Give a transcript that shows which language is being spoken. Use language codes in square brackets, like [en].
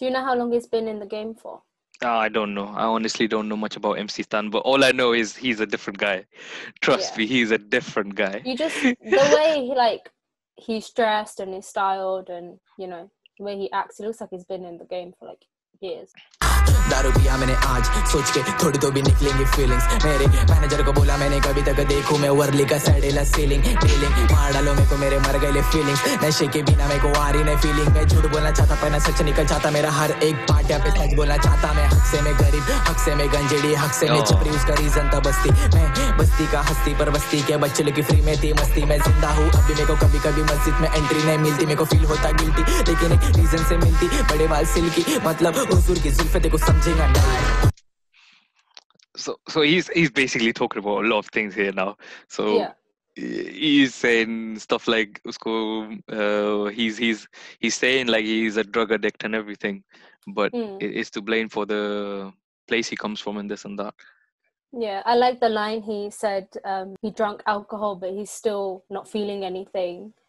[en] Do you know how long he's been in the game for? I don't know. I honestly don't know much about MCSTAN, but all I know is he's a different guy. Trust me, he's a different guy. You just, the way he's dressed and he's styled and, you know, the way he acts, it looks like he's been in the game for like years. [hi] दारू पिया मैंने आज सोच के थोड़ी तो भी निकलेंगी फीलिंग्स मेरे मैनेजर को बोला मैंने कभी तक देखूं मैं वर्ली का सैडेला सीलिंग फीलिंग मार डालो मेरे को मेरे मर गए फीलिंग्स नशे के बिना मेरे को आ रही नहीं फीलिंग मैं झूठ बोलना चाहता पर ना सच निकल जाता मेरा हर एक पार्ट पे सच बोलना चाहता मैं हक से मैं गरीब हक से मैं गंजेड़ी हक से मैं छपरी उसका रीजन था बस्ती मैं बस्ती का हस्ती पर बस्ती के बच्चे लगी फ्री में थी मस्ती मैं जिंदा हूँ अभी मेरे को कभी कभी मस्जिद में एंट्री नहीं मिलती मेरे को फील होता गिल्टी लेकिन एक रीजन से मिलती बड़े बाल सिल्की मतलब हुजूर की जुल्फे देखो [en] So he's basically talking about a lot of things here now. So he's saying stuff like usko he's saying like he's a drug addict and everything, but it's to blame for the place he comes from and this and that. Yeah, I like the line he said he drank alcohol, but he's still not feeling anything.